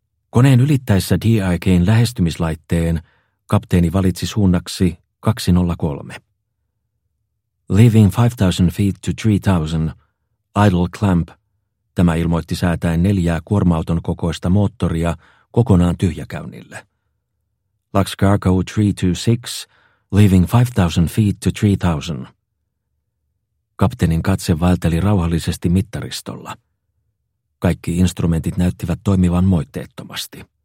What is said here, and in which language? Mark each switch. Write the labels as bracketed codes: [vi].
[fi] Koneen ylittäessä DIK:n lähestymislaitteen kapteeni valitsi suunnaksi 203. [en] Leaving 5,000 feet to 3,000, idle clamp. [fi] Tämä ilmoitti säätäen neljää kuorma-auton kokoista moottoria kokonaan tyhjäkäynnille. [en] Lux Cargo 326, leaving 5,000 feet to 3,000. [fi] Kapteenin katse vaelteli rauhallisesti mittaristolla. Kaikki instrumentit näyttivät toimivan moitteettomasti.